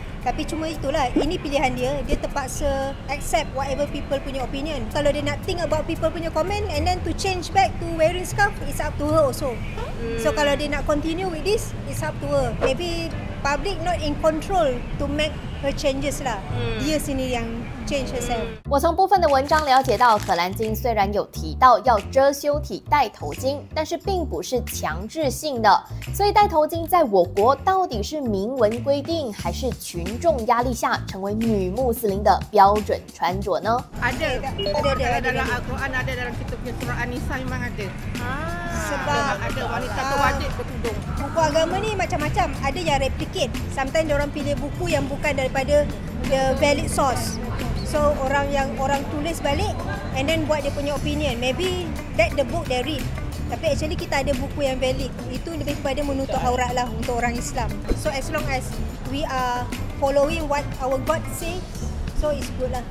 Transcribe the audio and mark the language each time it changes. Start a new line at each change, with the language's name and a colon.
Malay: Tapi cuma itulah, ini pilihan dia, dia terpaksa accept whatever people punya opinion.
English: Kalau dia nak think about people punya comment and then to change back to wearing scarf, it's up to her also. So kalau dia nak continue with this, it's up to her. Maybe public not in control to make her changes lah.
Malay: Dia sini yang change herself.
Chinese: 我从部分的文章了解到，荷兰经虽然有提到要遮羞体戴头巾，但是并不是强制性的。所以戴头巾在我国到底是明文规定，还是群众压力下成为女穆斯林的标准穿着呢？
Malay: ada, ada, ada, ada dalam Al-Quran, ada dalam kitab surah An-Nisa memang ada. Sebab buku agama ni macam-macam, ada yang replicate. Sometimes orang pilih buku yang bukan daripada the valid source. So orang yang orang tulis balik and then buat dia punya opinion.
English: Maybe that the book they read.
Malay: Tapi actually kita ada buku yang valid. Itu lebih kepada menutup aurat lah untuk orang Islam.
English: So as long as we are following what our God say, so it's good lah.